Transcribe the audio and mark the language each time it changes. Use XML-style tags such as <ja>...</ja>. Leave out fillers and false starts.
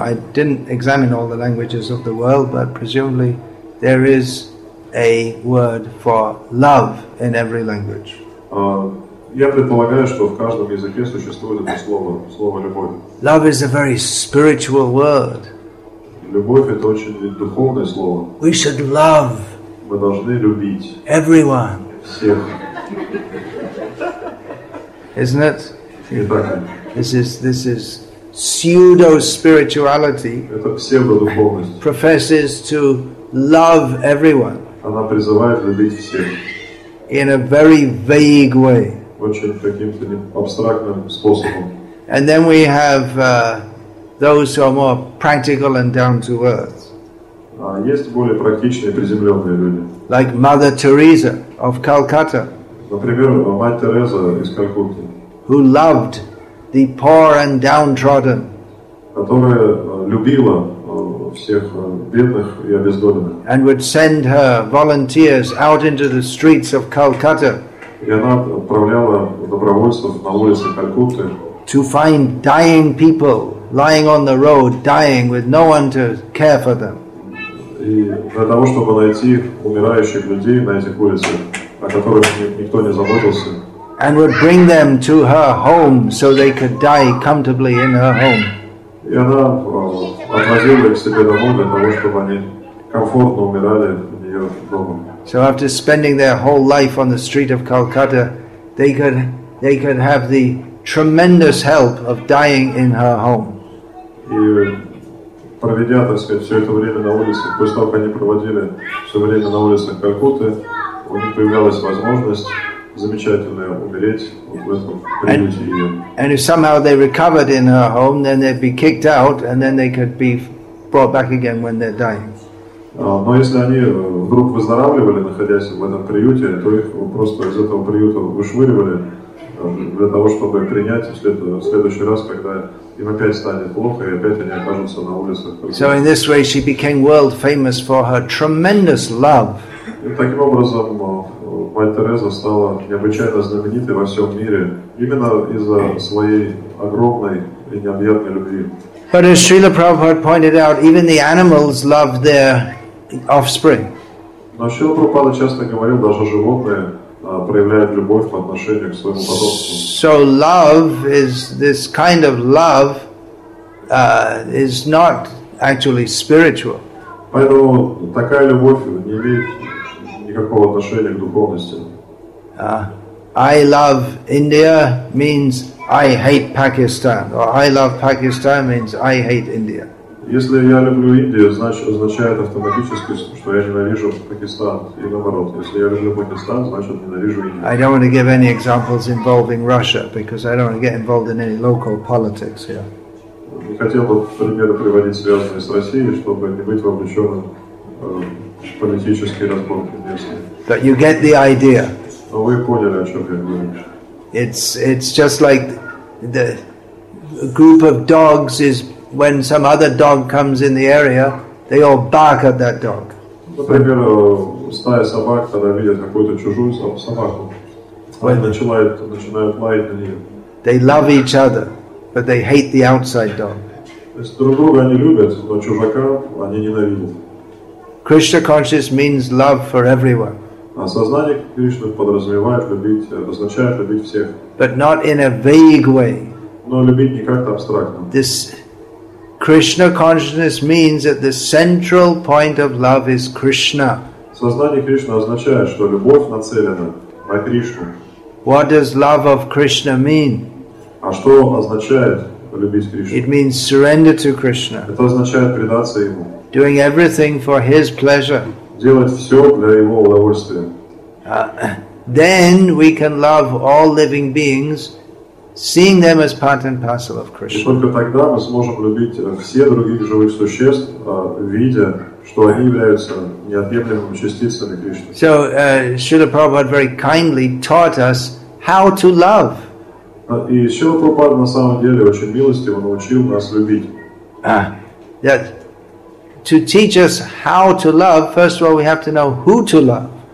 <en>I didn't examine all the languages of the world, but presumably there is a word for love in every language.</en> <ru>Я предполагаю, что в каждом языке существует это слово любовь.</ru> <en>Love is a very spiritual word.</en> <ru>Любовь это очень духовное слово.</ru> <en>We should love.</en> <ru>Мы должны любить.</ru> <en>Everyone.</en> <ru>Всех.</ru> <en>Isn't it?</en> <ru>Итак,</ru> <en>this is pseudo spirituality.</en> <ru>Это псевдодуховность.</ru> <en>Professes to love everyone.</en> <ru>Она призывает любить всех.</ru> <en>In a very vague way.</en> <ru>Очень каким-то абстрактным способом.</ru> <en>And then we have those who are more practical and down to earth.</en> <ru>Есть более практичные, приземленные люди.</ru> <en>Like Mother Teresa of Calcutta.</en> <ru>Например, мать Тереза из Калькутты.</ru> <en>Who loved the poor and downtrodden.</en> <ru>Которая любила всех бедных и обездоленных.</ru> <en>And would send her volunteers out into the streets of Calcutta.</en> <ru>И она отправляла добровольцев на улицы Калькутты.</ru> <en>To find dying people lying on the road, dying with no one to care for them.</en> <ru>И для того, чтобы найти умирающих людей на этих улицах, о которых никто не заботился.</ru> <en>And would bring them to her home so they could die comfortably in her home.</en> <ru>И она отвозила их себе домой для того, чтобы они комфортно умирали в ее доме.</ru> <en>So after spending their whole life on the street of Calcutta, they could have the tremendous help of dying in her home.</en> <ru>И проведя, так сказать, все это время на улице, после того, как они проводили все время на улицах Калькутты, у них появлялась возможность замечательно умереть в этом приюте ее.</ru> <en>And if somehow they recovered in her home, then they'd be kicked out, and then they could be brought back again when they're dying.</en> <ru>Но если они вдруг выздоравливали, находясь в этом приюте, то их просто из этого приюта вышвыривали для того, чтобы принять в следующий раз, когда им опять станет плохо, и опять они окажутся на улицах.</ru> <en>So in this way she became world famous for her tremendous love.</en> <ru>И таким образом мать Тереза стала необычайно знаменитой во всем мире именно из-за своей огромной и необъятной любви.</ru> <en>But as Srila Prabhupada pointed out, even the animals love their offspring.</en> <ru>Но Шрила Прабхупада часто говорил, даже животные проявляют любовь по отношению к своему потомству.</ru> <en>So love is this kind of love. is not actually spiritual.</en> <ru>Поэтому такая любовь не имеет никакого отношения к духовности.</ru> <en>I love India means I hate Pakistan, or I love Pakistan means I hate India.</en> <ru>Если я люблю Индию, значит означает автоматически, что я ненавижу Пакистан, и наоборот. Если я люблю Пакистан, значит ненавижу Индию.</ru> <en>I don't want to give any examples involving Russia because I don't want to get involved in any local politics here.</en> <ru>Не хотел бы примеры приводить, связанные с Россией, чтобы не быть вовлеченным в политические разборки местные.</ru> <en>But you get the idea.</en> <ru>Но вы поняли, о чем я говорю.</ru> <en>It's just like the group of dogs is when some other dog comes in the area, they all bark at that dog.</en> <ru>Например, стая собак, когда видят какую-то чужую собаку, они начинают лаять на нее.</ru> <en>They love each other, but they hate the outside dog.</en> <ru>То есть друг друга они любят, но чужака они ненавидят.</ru> <en>Krishna conscious means love for everyone.</en> <ru>Осознание Кришны подразумевает любить, означает любить всех.</ru> <en>But not in a vague way.</en> <ru>Но любить не как-то абстрактно.</ru> <en>This Krishna consciousness means that the central point of love is Krishna.</en> <ru>Сознание Кришны означает, что любовь нацелена на Кришну.</ru> <en>What does love of Krishna mean?</en> <ru>А что означает любить Кришну?</ru> <en>It means surrender to Krishna.</en> <ru>Это означает предаться ему.</ru> <en>Doing everything for his pleasure.</en> <ru>Делать все для его удовольствия.</ru> <en>Then we can love all living beings, seeing them as part and parcel of Krishna.</en> <ru>И только тогда мы сможем любить все других живых существ, видя, что они являются неотъемлемыми частицами Кришны.</ru> <en>So Śrīla Prabhupāda very kindly taught us how to love.</en> <ru>И Śrīla Prabhupāda на самом деле очень милостиво научил нас любить.</ru> <en>To teach us how to love, first of all, we have to know who to love.</en>